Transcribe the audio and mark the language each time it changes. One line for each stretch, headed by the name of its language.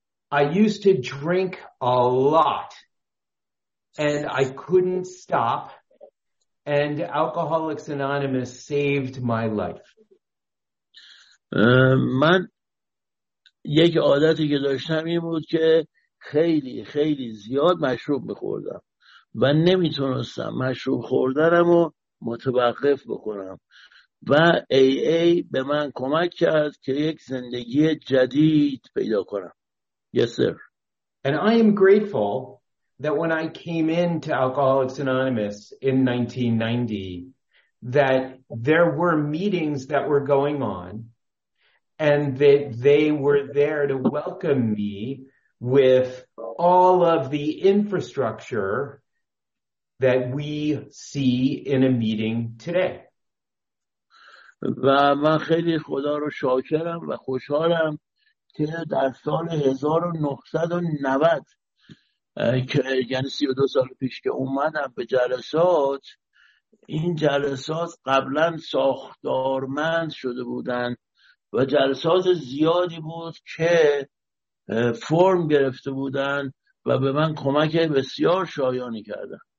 English: I used to drink a lot and I couldn't stop and Alcoholics Anonymous saved my life.
Persian: من یک عادتی که داشتم این بود که خیلی خیلی زیاد مشروب می‌خوردم و نمیتونستم مشروب خوردنمو متوقف بکنم و AA به من کمک کرد که یک زندگی جدید پیدا کنم.
English: Yes sir. And I am grateful that when I came into Alcoholics Anonymous in 1990 that there were meetings that were going on and that they were there to welcome me with all of the infrastructure that we see in a meeting today.
Persian: و من خیلی خدا رو شاکرم و خوشحالم که در سال 1990 که یعنی 32 سال پیش که اومدم به جلسات، این جلسات قبلا ساختارمند شده بودن و جلسات زیادی بود که فرم گرفته بودن و به من کمک بسیار شایانی کردن.